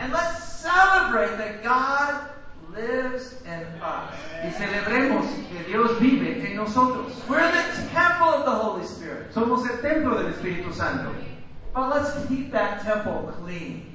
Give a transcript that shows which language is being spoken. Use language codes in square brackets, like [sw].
[en] And let's celebrate that God lives in us. [es] Y celebremos que Dios vive en nosotros. [en] We're the temple of the Holy Spirit. [es] Somos el templo del Espíritu Santo. [en] But let's keep that temple clean.